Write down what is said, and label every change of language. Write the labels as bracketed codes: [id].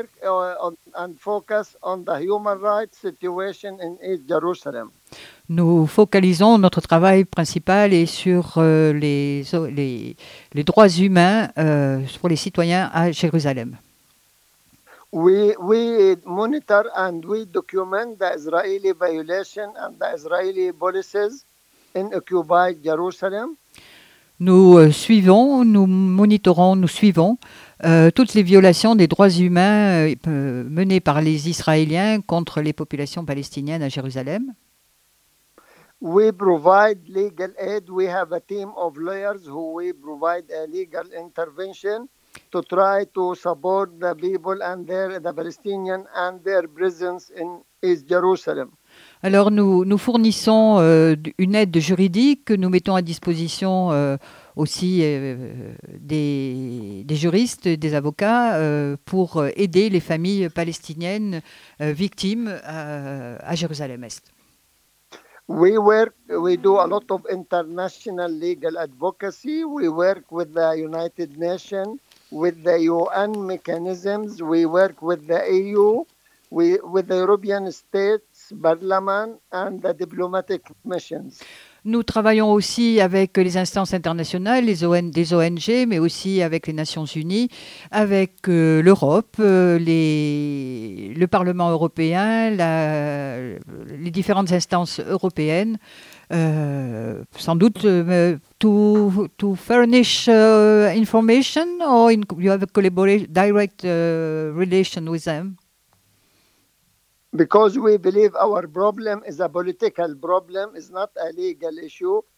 [en] Our work and focus on the human rights situation in East Jerusalem. [fr] Nous focalisons notre travail principal est sur les droits humains pour les citoyens à Jérusalem. [en] We monitor and we document the Israeli violation and the Israeli policies in occupied Jerusalem. [fr] Nous suivons toutes les violations des droits humains menées par les Israéliens contre les populations palestiniennes à Jérusalem. [en] We provide legal aid. We have a team of lawyers who we provide a legal intervention to try to support the people and the Palestinians and their presence in East Jerusalem. [fr] Alors nous fournissons une aide juridique que nous mettons à disposition aussi des juristes, des avocats pour aider les familles palestiniennes victimes à Jérusalem-Est. [en] We do a lot of international legal advocacy. We work with the United Nations, with the UN mechanisms. We work with the EU, with the European States Parliament and the diplomatic missions. [fr] Nous travaillons aussi avec les instances internationales, les ONG, mais aussi avec les Nations Unies, avec l'Europe, le Parlement européen, les différentes instances européennes. Sans doute [en] to furnish information or you have a collaboration, direct relation with them. Because we believe our problem is a political problem, is not a legal issue.